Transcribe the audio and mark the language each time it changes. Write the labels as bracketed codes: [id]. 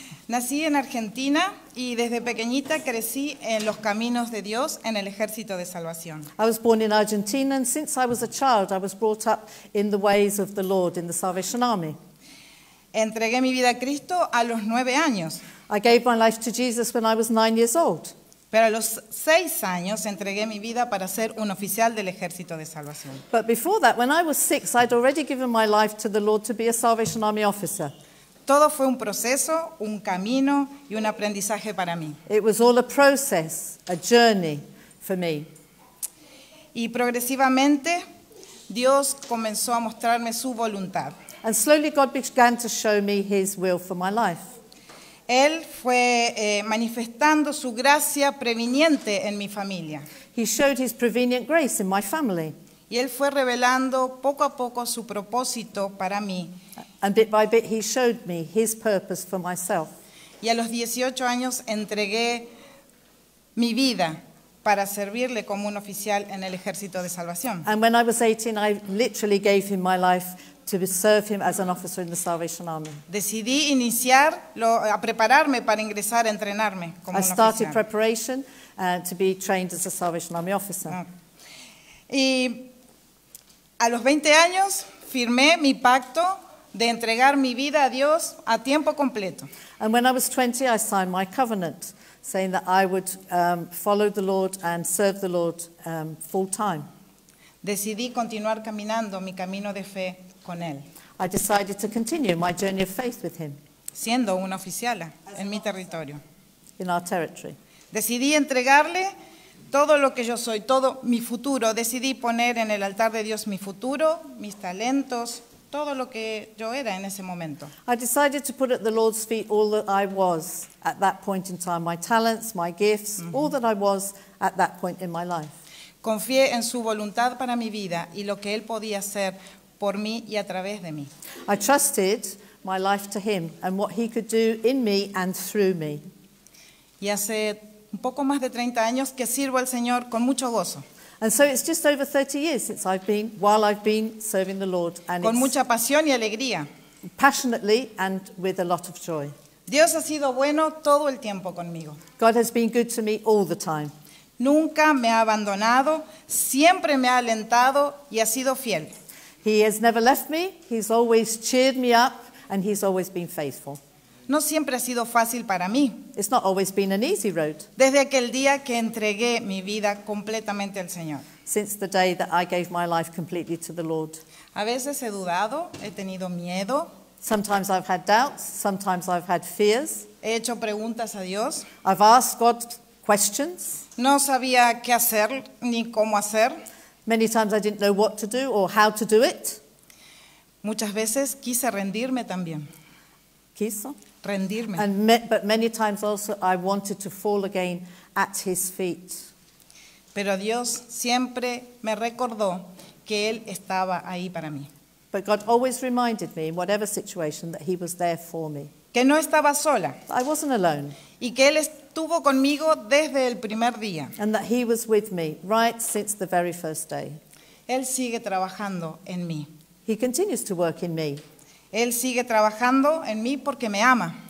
[es] Nací en Argentina y desde pequeñita crecí en los caminos de Dios en el ejército de salvación. [en] I was born in Argentina and since I was a child I was brought up in the ways of the Lord in the Salvation Army. [es] Entregué mi vida a Cristo a los 9 años. [en] I gave my life to Jesus when I was 9 years old. [es] Pero a los 6 años entregué mi vida para ser un oficial del ejército de salvación. [en] But before that, when I was 6, I'd already given my life to the Lord to be a Salvation Army officer. [es] Todo fue un proceso, un camino y un aprendizaje para mí. [en] It was all a process, a journey for me. [es] Y progresivamente, Dios comenzó a mostrarme su voluntad. [en] And slowly God began to show me his will for my life. [es] Él fue manifestando su gracia preveniente en mi familia. [en] He showed his prevenient grace in my family. [es] Y él fue revelando poco a poco su propósito para mí. [en] And bit by bit he showed me his purpose for myself. [es] Y a los 18 años entregué mi vida para servirle como un oficial en el ejército de salvación. [en] And when I was 18 I literally gave him my life to serve him as an officer in the Salvation Army. [es] Decidí iniciar lo, a prepararme para ingresar a entrenarme como [en] I started oficial. Preparation to be trained as a Salvation Army officer. [es] Y a los 20 años firmé mi pacto de entregar mi vida a Dios a tiempo completo. [en] And when I was 20, I signed my covenant, saying that I would follow the Lord and serve the Lord full time. [es] Decidí continuar caminando mi camino de fe con él. [en] I decided to continue my journey of faith with him. [es] Siendo una oficiala as en mi territorio. [en] In our territory. [es] Decidí entregarle todo lo que yo soy, todo mi futuro. Decidí poner en el altar de Dios mi futuro, mis talentos, todo lo que yo era en ese momento. [en] I decided to put at the Lord's feet all that I was at that point in time, my talents, my gifts, mm-hmm. all that I was at that point in my life. [es] Confié en su voluntad para mi vida y lo que él podía hacer por mí y a través de mí. [en] I trusted my life to him and what he could do in me and through me. [es] Y hace un poco más de 30 años que sirvo al Señor con mucho gozo. [en] And so it's just over 30 years since I've been, while I've been serving the Lord. And [es] con mucha pasión y alegría. [en] Passionately and with a lot of joy. [es] Dios ha sido bueno todo el tiempo conmigo. [en] God has been good to me all the time. [es] Nunca me ha abandonado, siempre me ha alentado y ha sido fiel. [en] He has never left me, he's always cheered me up and he's always been faithful. [es] No siempre ha sido fácil para mí. [en] It's not always been an easy road. [es] Desde aquel día que entregué mi vida completamente al Señor. [en] Since the day that I gave my life completely to the Lord. [es] A veces he dudado, he tenido miedo. [en] Sometimes I've had doubts, sometimes I've had fears. [es] He hecho preguntas a Dios. [en] I've asked God questions. [es] No sabía qué hacer ni cómo hacer. [en] Many times I didn't know what to do or how to do it. [es] Muchas veces quise rendirme también. Quiso. Rendirme. [en] And but many times also I wanted to fall again at his feet. [es] Pero Dios siempre me recordó que él estaba ahí para mí. [en] But God always reminded me in whatever situation that he was there for me. [es] Que no estaba sola. [en] I wasn't alone. [es] Y que él estuvo conmigo desde el primer día. [en] And that he was with me right since the very first day. [es] Él sigue trabajando en mí. [en] He continues to work in me. [es] Él sigue trabajando en mí porque me ama.